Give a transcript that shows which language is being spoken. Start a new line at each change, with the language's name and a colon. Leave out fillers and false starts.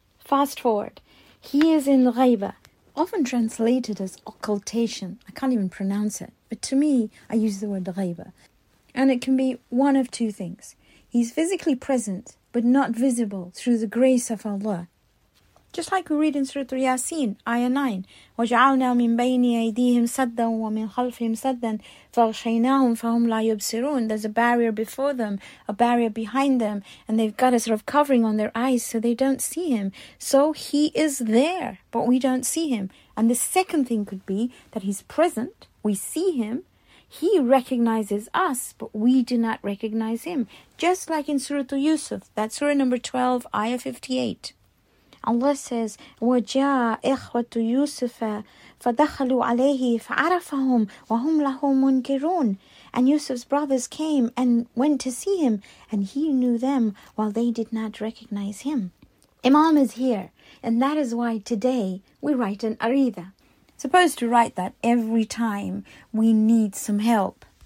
English: Fast forward, he is in Ghaiba, often translated as occultation. I can't even pronounce it, but to me, I use the word Ghaiba. And it can be one of two things. He's physically present, but not visible through the grace of Allah. Just like we read in Surah Yasin, Ayah 9,
Arabic: وَجَعَلْنَا مِنْ بَيْنِ أَيْدِيهِمْ سَدًّا وَمِنْ خَلْفِهِمْ سَدًّا فَغْشَيْنَاهُمْ فَهُمْ لَا يُبْصِرُونَ.
English: There's a barrier before them, a barrier behind them, and they've got a sort of covering on their eyes so they don't see him. So he is there, but we don't see him. And the second thing could be that he's present, we see him, he recognizes us, but we do not recognize him. Just like in Surah Yusuf, that's Surah number 12, Ayah 58. Allah says,
Arabic: وَجَاءَ إِخْوَةُ يُوسُفَ فَدَخَلُوا عَلَيْهِ فَعَرَفَهُمْ وَهُمْ لَهُ مُنْكِرُونَ.
English: And Yusuf's brothers came and went to see him, and he knew them while they did not recognize him. Imam is here, and that is why today we write an Aridha. Supposed to write that every time we need some help.